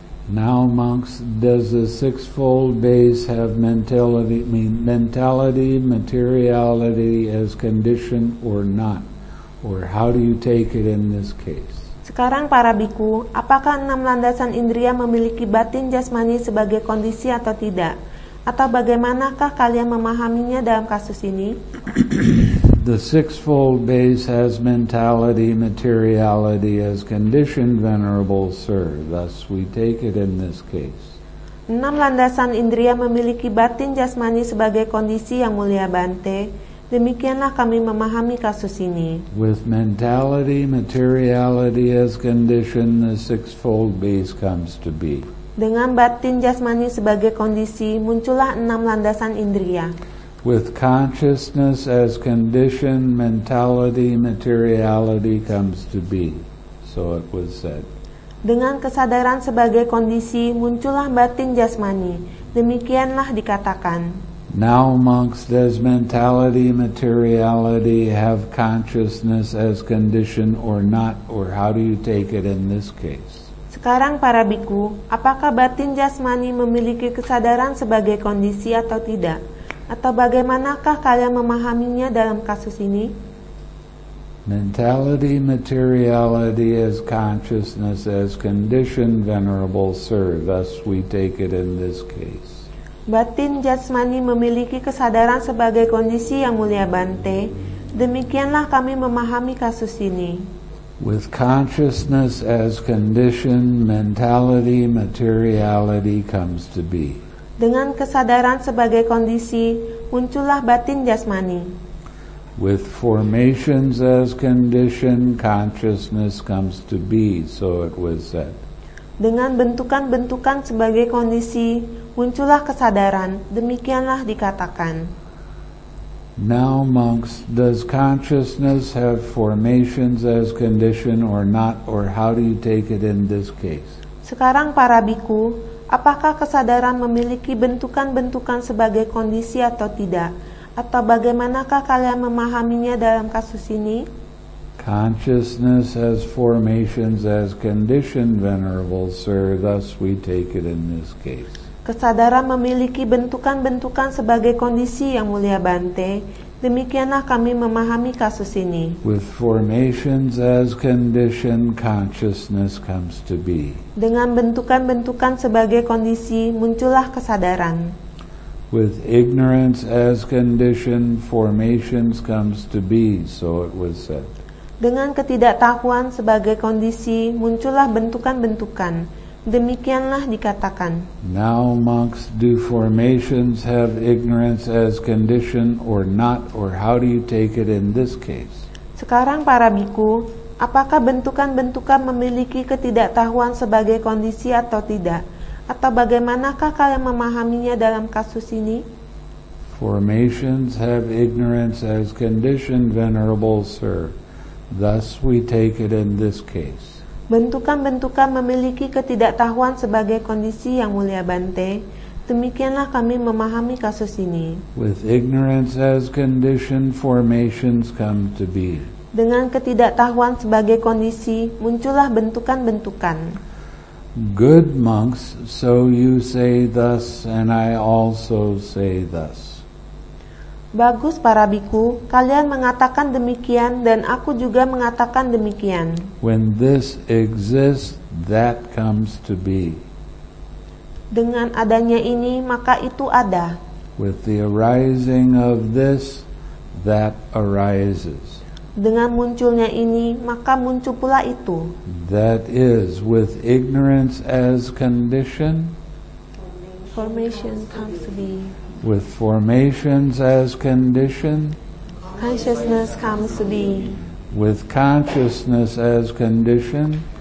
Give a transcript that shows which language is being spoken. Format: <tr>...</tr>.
<en>Now, monks, does the sixfold base have mentality, materiality as condition or not? Or how do you take it in this case?</en> <id>Sekarang para biku, apakah enam landasan indria memiliki batin jasmani sebagai kondisi atau tidak? Atau bagaimanakah kalian memahaminya dalam kasus ini?</id> <en>The sixfold base has mentality, materiality as condition, venerable sir. Thus we take it in this case.</en> <id>Enam landasan indria memiliki batin jasmani sebagai kondisi yang mulia Bante. Demikianlah kami memahami kasus ini.</id> <en>With mentality, materiality as condition, the sixfold base comes to be.</en> <id>Dengan batin jasmani sebagai kondisi, muncullah enam landasan indria.</id> <en>With consciousness as condition, mentality, materiality comes to be. So it was said.</en> <id>Dengan kesadaran sebagai kondisi, muncullah batin jasmani. Demikianlah dikatakan.</id> <en>Now, monks, does mentality, materiality have consciousness as condition or not? Or how do you take it in this case?</en> <id>Sekarang para biku, apakah batin jasmani memiliki kesadaran sebagai kondisi atau tidak? Atau bagaimanakah kalian memahaminya dalam kasus ini?</id> <en>Mentality, materiality as consciousness as condition, venerable sir. Thus we take it in this case.</en> <id>Batin jasmani memiliki kesadaran sebagai kondisi yang mulia Bante. Demikianlah kami memahami kasus ini.</id> <en>With consciousness as condition, mentality, materiality comes to be.</en> <id>Dengan kesadaran sebagai kondisi, muncullah batin jasmani.</id> <en>With formations as condition, consciousness comes to be, so it was said.</en> <id>Dengan bentukan-bentukan sebagai kondisi, muncullah kesadaran. Demikianlah dikatakan.</id> <en>Now, monks, does consciousness have formations as condition or not, or how do you take it in this case?</en> <id>Sekarang para biku, apakah kesadaran memiliki bentukan-bentukan sebagai kondisi atau tidak? Atau bagaimanakah kalian memahaminya dalam kasus ini?</id> <en>Consciousness has formations as condition, venerable sir. Thus we take it in this case.</en> <id>Kesadaran memiliki bentukan-bentukan sebagai kondisi yang mulia Bante. Demikianlah kami memahami kasus ini.</id> <en>With formations as condition, consciousness comes to be.</en> <id>Dengan bentukan-bentukan sebagai kondisi, muncullah kesadaran.</id> <en>With ignorance as condition, formations comes to be, so it was said.</en> <id>Dengan ketidaktahuan sebagai kondisi, muncullah bentukan-bentukan. Demikianlah dikatakan.</id> <en>Now, monks, do formations have ignorance as condition or not? Or how do you take it in this case?</en> <id>Sekarang para biku, apakah bentukan-bentukan memiliki ketidaktahuan sebagai kondisi atau tidak? Atau bagaimanakah kalian memahaminya dalam kasus ini?</id> <en>Formations have ignorance as condition, venerable sir. Thus we take it in this case.</en> <id>Bentukan-bentukan memiliki ketidaktahuan sebagai kondisi, yang mulia Bante. Demikianlah kami memahami kasus ini.</id> <en>With ignorance as condition, formations come to be.</en> <id>Dengan ketidaktahuan sebagai kondisi, muncullah bentukan-bentukan.</id> <en>Good monks, so you say thus, and I also say thus.</en> <id>Bagus para bhikkhu, kalian mengatakan demikian dan aku juga mengatakan demikian.</id> <en>When this exists, that comes to be.</en> <id>Dengan adanya ini, maka itu ada.</id> <en>With the arising of this, that arises.</en> <id>Dengan munculnya ini, maka muncul pula itu.</id> <en>That is, with ignorance as condition, formation comes to be. With formations as condition, consciousness comes to be. With consciousness as condition,</en>